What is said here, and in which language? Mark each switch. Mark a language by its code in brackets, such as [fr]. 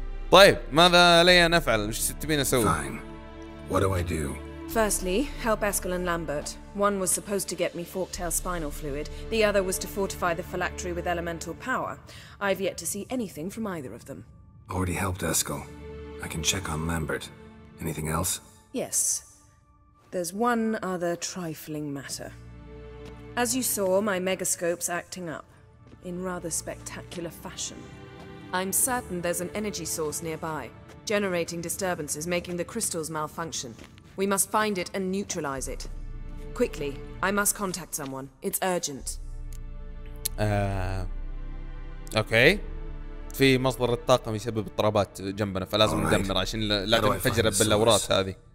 [ar] طيب ماذا علي ان افعل؟ ايش تبين اسوي؟ [en] Fine. What do I do? Firstly, help Eskil and Lambert. One was supposed to get me forktail spinal fluid, the other was to fortify the phylactery with elemental power. I've yet to see anything from either of them. Already helped Eskil. I can check on Lambert. Anything else? Yes. There's one other trifling matter. As you saw, my megascope's acting up in rather spectacular fashion. I'm certain there's an energy source nearby, generating disturbances, making the crystals malfunction. We must find it and neutralize it. Quickly, I must contact someone. It's urgent. Okay. [ar] في مصدر الطاقة يسبب اضطرابات جنبنا فلازم ندمره عشان لا تنفجر بالأوراق هذه.